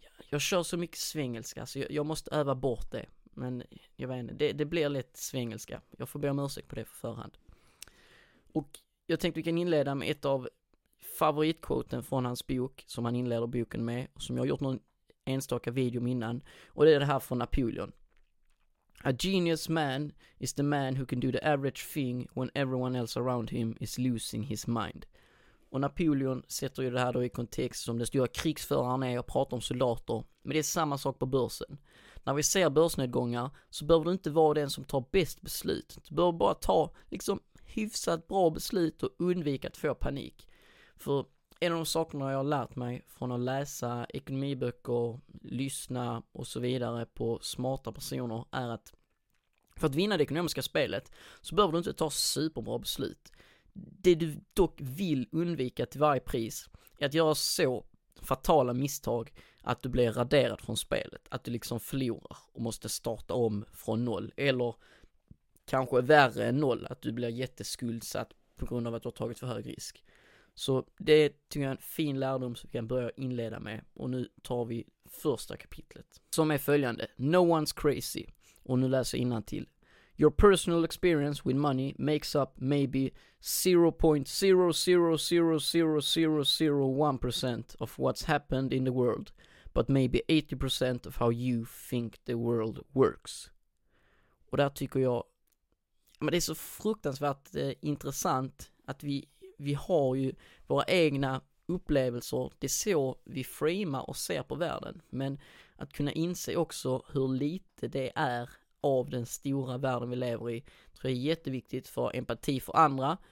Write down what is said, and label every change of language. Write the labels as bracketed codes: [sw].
[sv] Jag kör så mycket svengelska, så jag måste öva bort det. Men jag vet inte, det blir lite svengelska. Jag får be om ursäkt på det för förhand. Och jag tänkte vi kan inleda med ett av favoritquoten från hans bok, som han inleder boken med, och som jag har gjort någon enstaka video innan. Och det är det här från Napoleon. [en] A genius man is the man who can do the average thing when everyone else around him is losing his mind. [sv] Och Napoleon sätter ju det här då i kontext som den stora krigsföraren är och pratar om soldater. Men det är samma sak på börsen. När vi ser börsnedgångar så behöver du inte vara den som tar bäst beslut. Du behöver bara ta liksom hyfsat bra beslut och undvika att få panik. För en av de sakerna jag har lärt mig från att läsa ekonomiböcker, lyssna och så vidare på smarta personer är att för att vinna det ekonomiska spelet så behöver du inte ta superbra beslut. Det du dock vill undvika till varje pris är att göra så fatala misstag att du blir raderad från spelet. Att du liksom förlorar och måste starta om från noll. Eller kanske värre än noll, att du blir jätteskuldsatt på grund av att du har tagit för hög risk. Så det är, tycker jag, en fin lärdom som vi kan börja inleda med. Och nu tar vi första kapitlet. Som är följande. [en] No one's crazy. [sv] Och nu läser jag innantill. [en] Your personal experience with money makes up maybe 0.00000001% of what's happened in the world. But maybe 80% of how you think the world works. [sv] Och där tycker jag, men det är så fruktansvärt intressant att vi har ju våra egna upplevelser. Det är så vi framar och ser på världen. Men att kunna inse också hur lite det är av den stora världen vi lever i, tror jag är jätteviktigt för empati för andra.